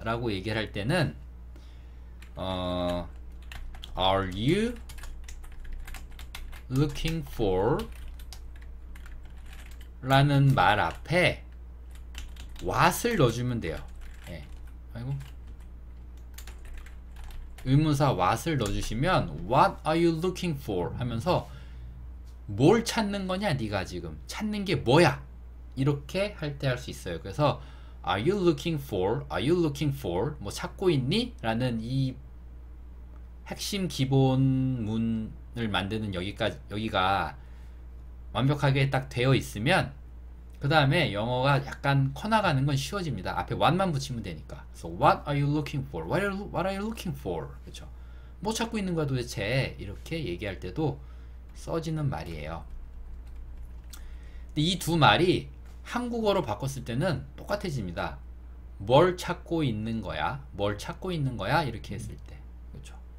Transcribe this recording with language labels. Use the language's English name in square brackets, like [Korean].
[Korean] 라고 얘기를 할 때는, [English] Are you looking for? [Korean] 라는 말 앞에 what을 넣어주면 돼요. 아이고. 의문사 what을 넣어주시면 [English] What are you looking for? [Korean] 하면서 뭘 찾는 거냐, 네가 지금 찾는 게 뭐야? 이렇게 할때할수 있어요. 그래서 [English] Are you looking for? Are you looking for? [Korean] 뭐 찾고 있니? 라는 이 핵심 기본 문을 만드는 여기가 완벽하게 딱 되어 있으면 그 다음에 영어가 약간 커나가는 건 쉬워집니다. 앞에 what만 붙이면 되니까. [English] So what are you looking for? What are you looking for? [Korean] 그렇죠. 뭐 찾고 있는 거야 도대체? 이렇게 얘기할 때도 써지는 말이에요. 근데 이두 말이 한국어로 바꿨을 때는 똑같아집니다. 뭘 찾고 있는 거야? 뭘 찾고 있는 거야? 이렇게 했을 때. 그렇죠.